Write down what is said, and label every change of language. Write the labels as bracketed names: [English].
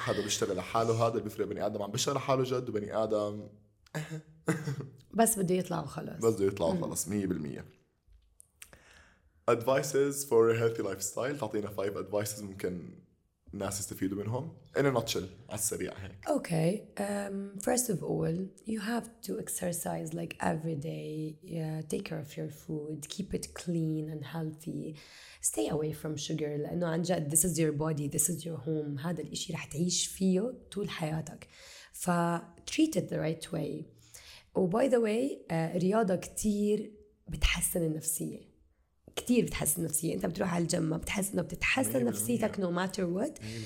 [Arabic] هذا بيشتغل حاله هذا بيفرق بني آدم عم بيشتغل حاله جد وبني آدم بس بده يطلع وخلص بس بده يطلع وخلص 100%. [English] Advices for a healthy lifestyle. [Arabic] تعطينا 5 advices ممكن ناس يستفيدوا منهم [English] in a nutshell [Arabic] على السريع هيك. [English] Okay. First of all you have to exercise like every day. Yeah, take care of your food, keep it clean and healthy, stay away from sugar [Arabic] لأنه عن جد [English] this is your body, this is your home. [Arabic] هذا الإشي رح تعيش فيه طول حياتك ف [English] treat it the right way. Oh, by the way [Arabic] رياضة كتير بتحسن النفسية كتير بتحسن نفسية. انت بتروح على الجيم بتحس انه بتتحسن نفسيتك [English] no matter what.